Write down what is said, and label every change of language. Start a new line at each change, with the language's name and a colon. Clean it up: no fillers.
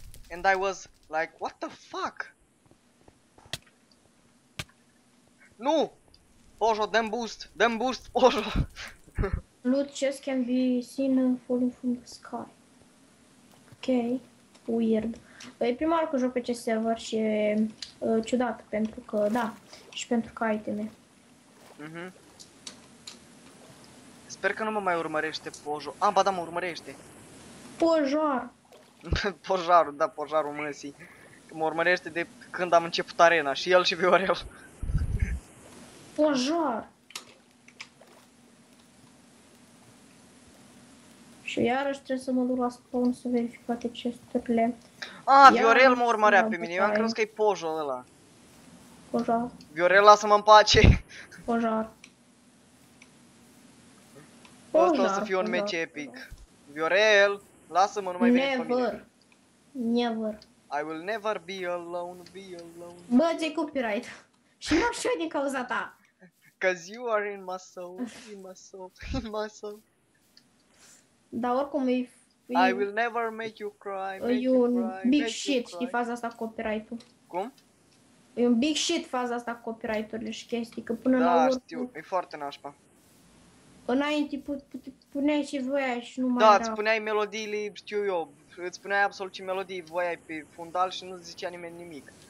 English: And I was like, what the fuck?
Romanian: Nu! Pojo, dăm boost! Dăm boost, Pojo!
English: Loot chest can be seen falling from the sky. Ok, weird.
Romanian: E prima oară că joc pe acest server și e ciudat pentru că, da, și pentru că iteme. Mm-hmm. Sper că nu mă mai urmărește Pojo. Ah, ba da, mă urmărește. Pojoar! Pojarul, da, pojarul măsii. Mă urmărește de când am început arena, și el și Viorel. Pojar! Și iarăși trebuie să mă duc la spawn să verific toate chesturile. Ah, Viorel mă urmărea pe mine, eu am crezut că e Pojo ăla. Pojar. Viorel, lasă-mă în pace. Pojar. Asta o să fie un meci epic. Viorel, lasă-mă, nu mai vine pe mine.
English: Never. I will never be alone, be alone.
Romanian: Bă, ce copyright. Și nu știu din cauza ta.
English: Cause you are in my soul, in my soul, in my soul.
Romanian: Dar oricum e...
English: I will never make you cry, make you cry, big shit,
Romanian: știi faza asta cu copyright-ul. Cum? E un
English: big shit
Romanian: faza asta cu copyright-urile și chestii, că până da, la urmă... Da, știu, e foarte nașpa. Înainte puneai ce voiai și nu mai da, era... Da, îți puneai melodiile, știu eu, îți puneai absolut ce melodii voiai pe fundal și nu zicea nimeni nimic.